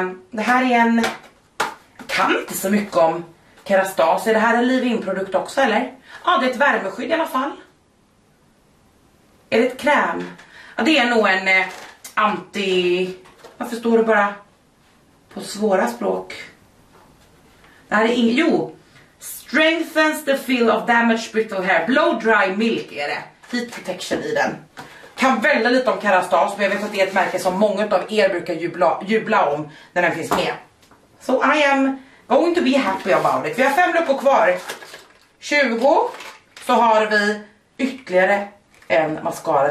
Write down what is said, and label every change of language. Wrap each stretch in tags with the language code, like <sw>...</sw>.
<sv>Det här är en, kan inte så mycket om Kerastase. Är det här en leave-in-produkt också, eller? Ja, det är ett värmeskydd i alla fall. Är det ett kräm? Ja, det är nog en anti... Varför står det bara på svåra språk? Det här är ingen... Jo!</sv> <en>Strengthens the feel of damaged brittle hair.</en> <sv>Blow dry milk är det. Heat protection i den. Kan välja lite om Kerastase, men jag vet att det är ett märke som många av er brukar jubla om när den finns med.</sv> <en>So I am going to be happy about it.</en> <sv>Vi har 5 luckor kvar. 20, så har vi ytterligare en mascara.</sv>